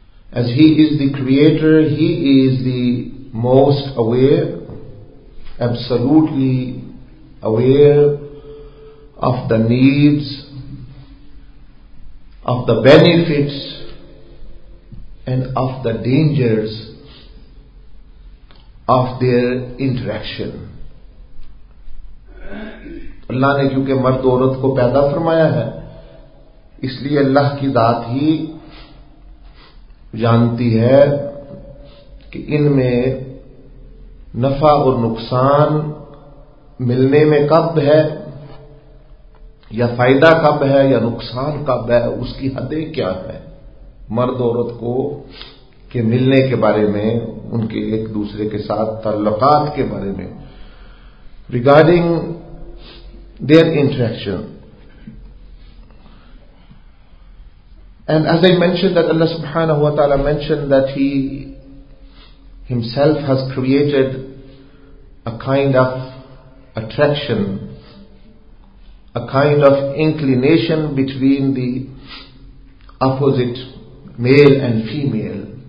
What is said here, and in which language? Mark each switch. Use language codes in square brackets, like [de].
[en] As He is the creator, He is the most aware, absolutely aware of the needs, of the benefits, and of the dangers of their interaction. [ur] Allah نے کیونکہ مرد عورت کو پیدا فرمایا ہے، اس لیے اللہ کی ذات ہی جانتی ہے کہ ان میں نفع اور نقصان ملنے میں کب ہے، یا فائدہ کب ہے، یا نقصان کب ہے، اس کی حدیں کیا ہیں مرد عورت کو کہ ملنے کے بارے میں، ان کے ایک دوسرے کے ساتھ تعلقات کے بارے میں، [en] Regarding their interaction. And as I mentioned that Allah subhanahu wa ta'ala mentioned that He Himself has created a kind of attraction, a kind of inclination between the opposite male and female.